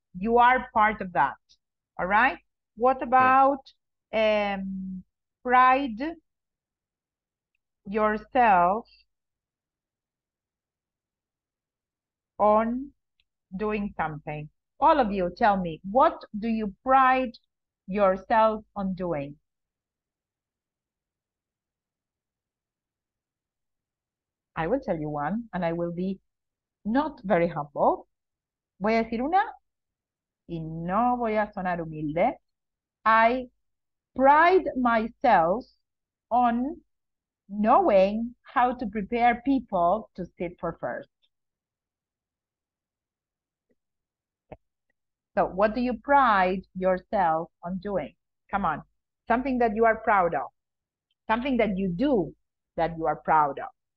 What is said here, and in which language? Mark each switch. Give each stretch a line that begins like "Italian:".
English: You are part of that. All right. What about pride yourself on doing something? All of you, tell me, what do you pride yourself on doing? I will tell you one, and I will be not very humble.
Spanish: Voy a decir una, y no voy a sonar humilde.
English: I pride myself on knowing how to prepare people to sit for first. So what do you pride yourself on doing? Come on, something that you are proud of, something that you do that you are proud of.